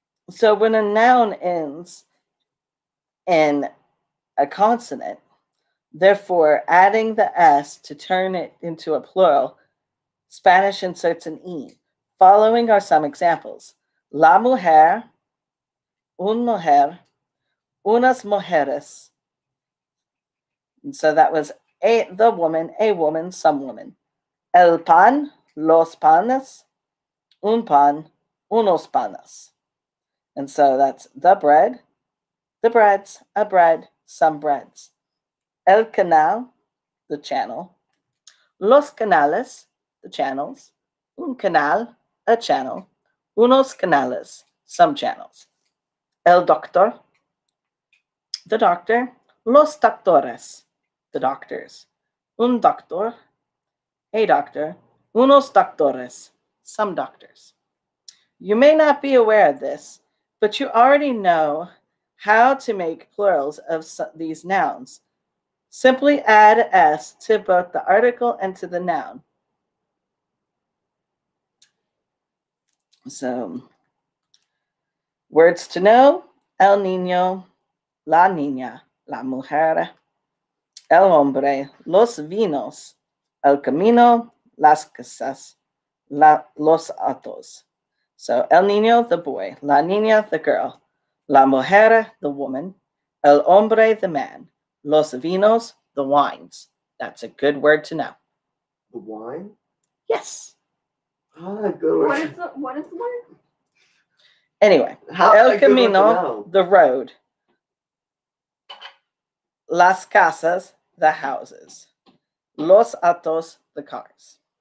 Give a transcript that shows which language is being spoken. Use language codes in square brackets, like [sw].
[en] So when a noun ends in a consonant, therefore adding the s to turn it into a plural Spanish inserts an E. Following are some examples. [es] La mujer, un mujer, unas mujeres. [en] And so that was the woman, a woman, some woman. [es] El pan, los panes, un pan, unos panes. [en] And so that's the breads, a bread, some breads. [es] El canal, [en] the channel. [es] Los canales, [en] the channels. [es] Un canal, [en] a channel. [es] Unos canales, [en] some channels. [es] El doctor, [en] the doctor. [es] Los doctores, [en] the doctors. [es] Un doctor, [en] a doctor. [es] Unos doctores, [en] some doctors. You may not be aware of this, but you already know how to make plurals of these nouns. Simply add S to both the article and to the noun. So, words to know, [es] el niño, la niña, la mujer, el hombre, los vinos, el camino, las casas, los autos. [en] So, el niño, the boy, la niña, the girl, la mujer, the woman, el hombre, the man, los vinos, the wines. That's a good word to know. The wine? Yes. What is the word? Anyway, el camino, the road. [es] Las casas, [en] the houses. [es] Los autos, [en] the cars.